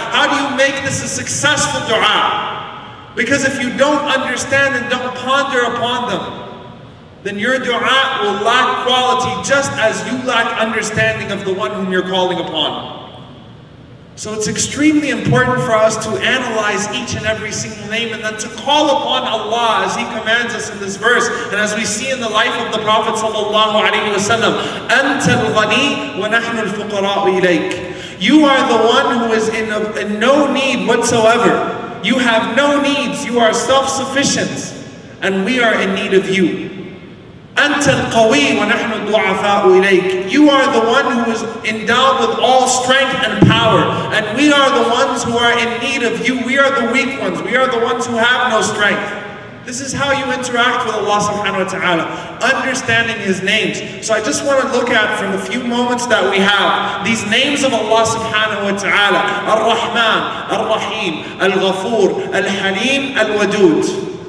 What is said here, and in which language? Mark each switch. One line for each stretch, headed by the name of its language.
English: How do you make this a successful dua? Because if you don't understand and don't ponder upon them, then your dua will lack quality just as you lack understanding of the one whom you're calling upon. So it's extremely important for us to analyze each and every single name and then to call upon Allah as He commands us in this verse and as we see in the life of the Prophet sallallahu alaihi wasallam.
Arabic: أنت الغني ونحن الفقراء إليك.
English: You are the one who is in no need whatsoever. You have no needs. You are self-sufficient. And we are in need of you.
Arabic: أنت القوي ونحن الضعفاء إليك.
English: You are the one who is endowed with all strength and power. And we are the ones who are in need of you. We are the weak ones. We are the ones who have no strength. This is how you interact with Allah subhanahu wa ta'ala, understanding His names. So I just want to look at, from the few moments that we have, these names of Allah subhanahu wa ta'ala: Ar-Rahman, Ar-Rahim, Al-Ghafoor, Al-Haleem, Al-Wadood.